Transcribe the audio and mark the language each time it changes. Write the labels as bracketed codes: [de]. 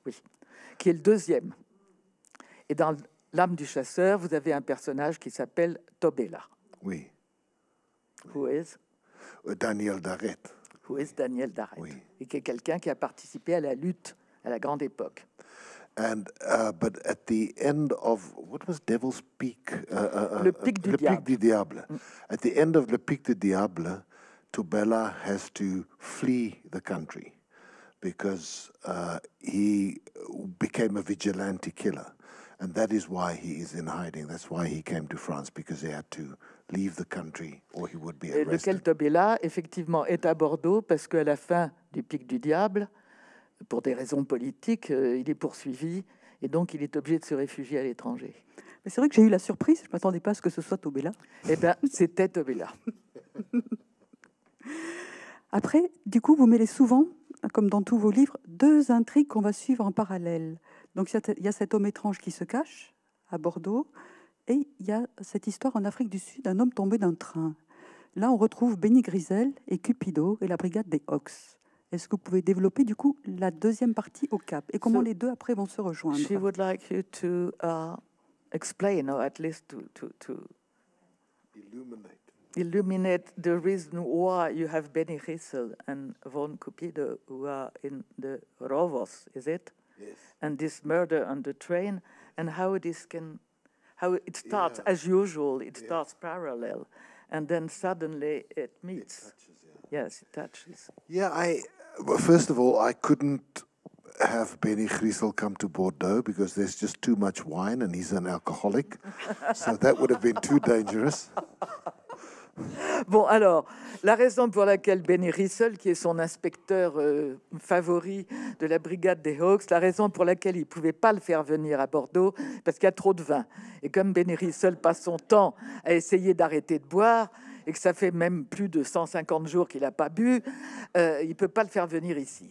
[fr] Oui. Qui est le deuxième. Et dans L'âme du chasseur, vous avez un personnage qui s'appelle Tobela. Oui. [en] Who is? Daniel Darrett. Who is Daniel Darrett? [fr] Oui. Et qui est quelqu'un qui a participé à la lutte à la grande époque. [en] And but at the end of what was [fr] Devil's Peak? Le pic du diable. Le pic du diable. [en] At the end of [fr] Le pic du diable, [en] Tobela has to flee the country because he became a vigilante killer, and that is why he is in hiding. That's why he came to France, because he had to leave the country or he would be arrested. [fr] Lequel Tobela, effectivement, est à Bordeaux parce qu'à la fin du Pic du Diable, pour des raisons politiques, il est poursuivi et donc il est obligé de se réfugier à l'étranger. Mais c'est vrai que j'ai eu la surprise, je ne m'attendais pas à ce que ce soit Tobela. Eh bien, c'était Tobela. Après, du coup, vous mêlez souvent, comme dans tous vos livres, deux intrigues qu'on va suivre en parallèle. Donc, il y a cet homme étrange qui se cache à Bordeaux. Et il y a cette histoire en Afrique du Sud d'un homme tombé d'un train. Là, on retrouve Benny Grisel et Cupido et la brigade des Hawks. Est-ce que vous pouvez développer, du coup, la deuxième partie au Cap? Et comment so les deux, après, vont se rejoindre? [en] She would like you to explain, or at least to illuminate the reason why you have Benny Grisel and Von Cupido who are in the Rovos, is it? Yes. And this murder on the train, and how this can... How it starts, as usual, it starts parallel, and then suddenly it meets. It touches, yeah. Yes, it touches. Yeah, first of all, I couldn't have Benny Grisel come to Bordeaux because there's just too much wine and he's an alcoholic. So that would have been too dangerous. [fr] Bon, alors, la raison pour laquelle Benny Rissel, qui est son inspecteur favori de la brigade des Hawks, la raison pour laquelle il ne pouvait pas le faire venir à Bordeaux, parce qu'il y a trop de vin. Et comme Benny Rissel passe son temps à essayer d'arrêter de boire, et que ça fait même plus de 150 jours qu'il n'a pas bu, il ne peut pas le faire venir ici.